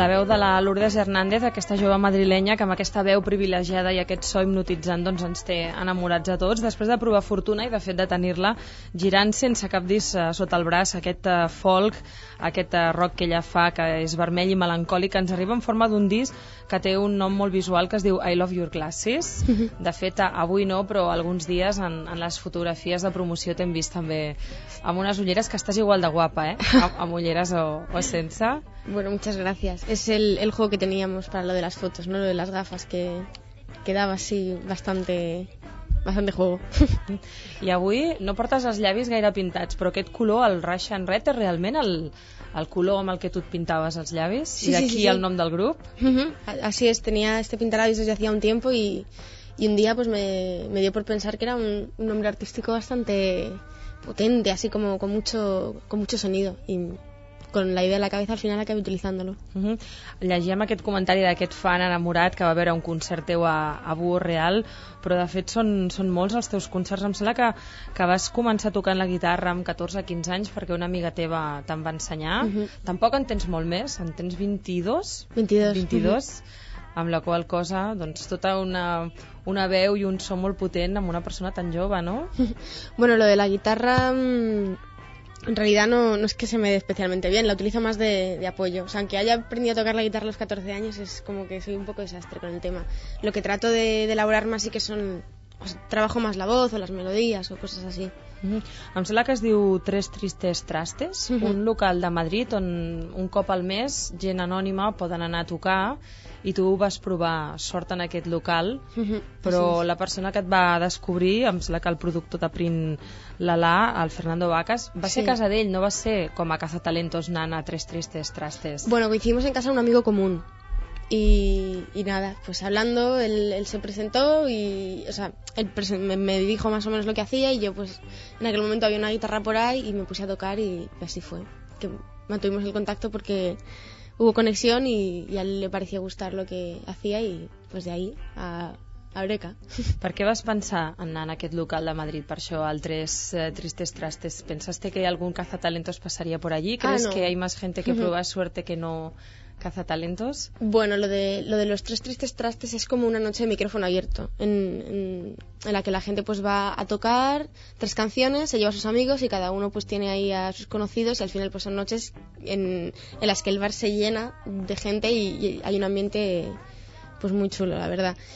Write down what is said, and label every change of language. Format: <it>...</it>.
<ca>De la Lourdes Hernández, aquesta jove madrilenya que amb aquesta veu privilegiada i aquest so hipnotitzant doncs ens té enamorats a tots, després de provar fortuna i de fet de tenir-la girant sense cap disc sota el braç, aquest folk, aquest rock que ella fa, que és vermell i melancòlic, ens arriba en forma d'un disc que té un nom molt visual que es diu I Love Your Glasses. De fet, avui no, però alguns dies en les fotografies de promoció t'hem vist també amb unes ulleres, que estàs igual de guapa, eh? Amb ulleres o sense.</ca> <es>Bueno, muchas gracias. Es el juego que teníamos para lo de las fotos, ¿no? Lo de las gafas, que quedaba así bastante, bastante juego.</es> <ca>I avui no portes els llavis gaire pintats, però aquest color, el Russian Red, és realment el color amb el que tu et pintaves els llavis? Sí, i d'aquí sí. El nom del grup? Uh-huh.</ca> <es>Así es, tenía este pintalabios desde hacía un tiempo y un día pues me dio por pensar que era un nombre artístico bastante potente, así como con mucho sonido y con la idea de la cabeza, al final acabo utilizándolo. Uh-huh.</es> <ca>Llegíem aquest comentari d'aquest fan enamorat que va veure un concert teu a Búho Real, però de fet són molts els teus concerts. Em sembla que vas començar tocant la guitarra amb 14-15 anys perquè una amiga teva te'n va ensenyar. Uh-huh. Tampoc en tens molt més, en tens 22. 22. 22. Uh-huh. Amb la qual cosa, doncs, tota una veu i un so molt potent amb una persona tan jove, no?</ca> <es>Bueno, lo de la guitarra, en realidad no es que se me dé especialmente bien, la utilizo más de apoyo. O sea, aunque haya aprendido a tocar la guitarra a los 14 años, es como que soy un poco desastre con el tema. Lo que trato de elaborar más sí que son, o sea, trabajo más la voz o las melodías o cosas así.</es> <ca>Uh-huh. Em sembla que es diu Tres Tristes Trastes, uh-huh. Un local de Madrid on un cop al mes gent anònima poden anar a tocar i tu vas provar sort en aquest local, uh-huh. Però sí, la persona que et va descobrir, em sembla que el productor de Print Lala, el Fernando Vacas, va ser a casa d'ell, no va ser com a Cazatalentos anant a Tres Tristes Trastes.</ca> <es>Bueno, lo hicimos en casa un amigo común y nada, pues hablando, él se presentó y, o sea, él me dijo más o menos lo que hacía y yo pues en aquel momento había una guitarra por ahí y me puse a tocar y así fue, que mantuvimos el contacto porque hubo conexión y a él le parecía gustar lo que hacía y pues de ahí a Eureka.</es> <ca>Per què vas pensar en anar a aquest local de Madrid? Per això, altres Tristes Trastes.</ca> <es>Pensaste que algun cazatalentos passaria por allí? ¿Crees que hay más gente que prueba suerte que no cazatalentos? Bueno, lo de los Tres Tristes Trastes es como una noche de micrófono abierto en la que la gente pues va a tocar tres canciones, se lleva a sus amigos y cada uno pues tiene ahí a sus conocidos y al final pues son noches en las que el bar se llena de gente y hay un ambiente pues muy chulo, la verdad.</es>